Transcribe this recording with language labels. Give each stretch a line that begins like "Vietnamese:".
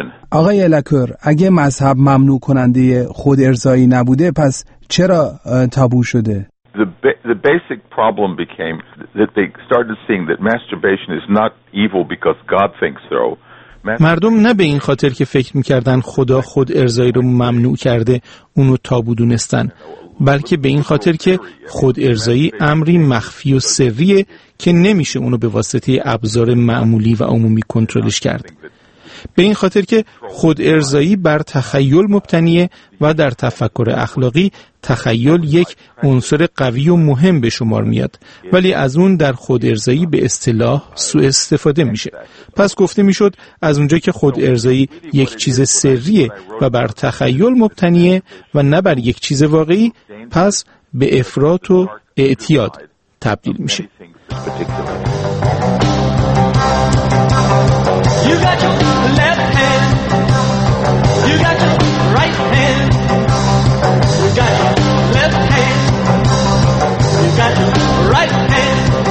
Persian: آقای لکر، اگه مذهب ممنوع کننده خود ارضایی نبوده، پس چرا تابو شده؟
English: The basic problem became that they started seeing that masturbation is not evil because God thinks so.
Persian: مردم نه به این خاطر که فکر میکردن خدا خود ارضایی رو ممنوع کرده اونو تابو دونستن، بلکه به این خاطر که خود ارضایی امری مخفی و سریه که نمیشه اونو به واسطه ابزار معمولی و عمومی کنترلش کرد. به این خاطر که خود ارضایی بر تخیل مبتنیه و در تفکر اخلاقی تخیل یک عنصر قوی و مهم به شمار میاد، ولی از اون در خود ارضایی به اصطلاح سوء استفاده میشه. پس گفته میشد از اونجا که خود ارضایی یک چیز سریه و بر تخیل مبتنیه و نه بر یک چیز واقعی، پس به افراط و اعتیاد تبدیل میشه.
English: particular. You got your left hand, you got your right hand, you got your left hand, you got your right hand.